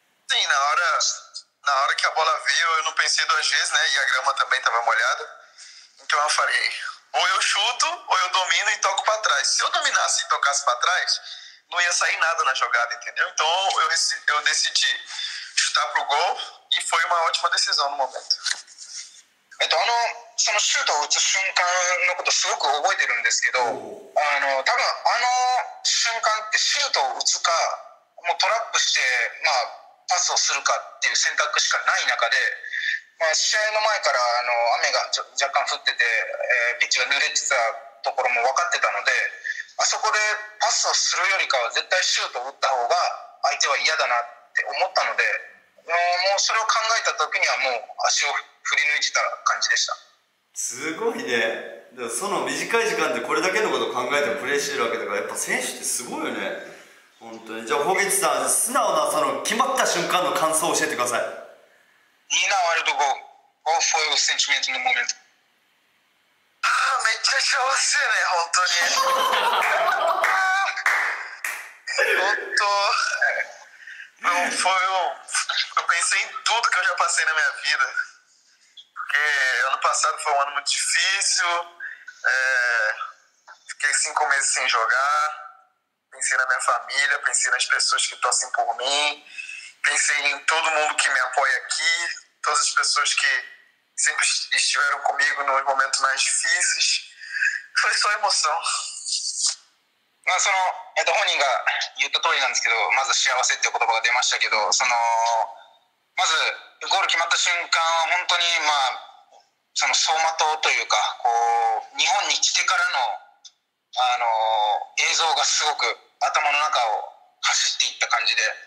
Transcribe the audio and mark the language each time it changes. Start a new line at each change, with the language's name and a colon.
Portuguese: Sim, na hora que a bola veio, eu não pensei duas vezes, né? E a grama também estava molhada. Então eu falei, ou eu chuto, ou eu domino e toco para trás. Se eu dominasse e tocasse para trás... não ia sair nada na jogada, entendeu? Então eu decidi chutar pro gol e foi uma ótima decisão no momento.
Japanese: そのシュートを打つ瞬間のことすごく覚えてるんですけど、多分あの瞬間ってシュートを打つかもうトラップして、まあ、パスをするかっていう選択しかない中で、まあ、試合の前からあの雨が若干降ってて、ピッチが濡れてたところも分かってたので、あそこでパスをするよりかは絶対シュートを打った方が相手は嫌だなって思ったので、もうそれを考えた時にはもう足を振り抜いてた感じでした。すごいね。でその短い時間でこれだけのことを考えてプレーしてるわけだから、やっぱ選手ってすごいよね本当に。じゃあホゲチさん、素直なその決まった瞬間の感想を教えてください。いいな、ワールドゴールオフォイオセンチメントのモメント。あーめっちゃ幸せよね本当に本当
Portuguese: não foi um... eu pensei em tudo que eu já passei na minha vida, porque ano passado foi um ano muito difícil, fiquei 5 meses sem jogar, pensei na minha família, pensei nas pessoas que torcem por mim, pensei em todo mundo que me apoia aqui, todas as pessoas que sempre estiveram comigo nos momentos mais difíceis, foi só emoção.
Japanese: まあ、その本人が言った通りなんですけど、まず幸せっていう言葉が出ましたけど、そのまずゴール決まった瞬間は本当に、まあ、その走馬灯というか、こう日本に来てから の映像がすごく頭の中を走っていった感じで、